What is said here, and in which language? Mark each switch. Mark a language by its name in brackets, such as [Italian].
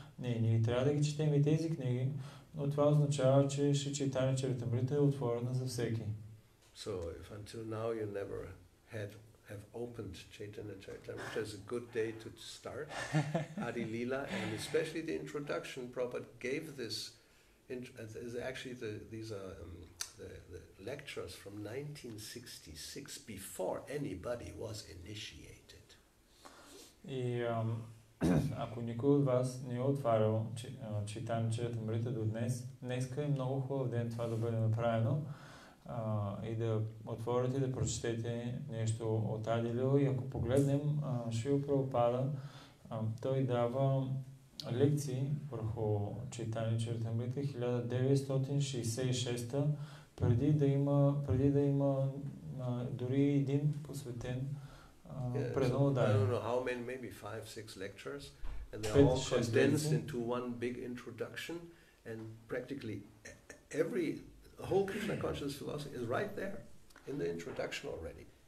[Bulgarian] Не, не трябва да ги четем и тези книги, но това означава, че Шри Чайтанья Чаритамрита е отворена за всеки. [English] So, if until now you never had have opened Chaitanya Charitamrita, which is a good day to start Adilila, and especially the introduction Prabhupada gave this is actually these are the lectures from 1966 before anybody was initiated. [Bulgarian] И ако никой от вас не е отварял Chaitanya Charitamrita до днес, днеска е много хубав ден това да бъде направено. И да отворите, да прочетете нещо от Адилила. И ако погледнем Шрила Прабхупада, той дава лекции върху Чайтанья Чаритамрита 1966-та, преди да има дори един посветен преданодар. [English] I don't know how many, maybe 5-6 lectures, and they're all condensed into one big introduction, and practically every the whole Krishna consciousness philosophy is right there in the introduction already.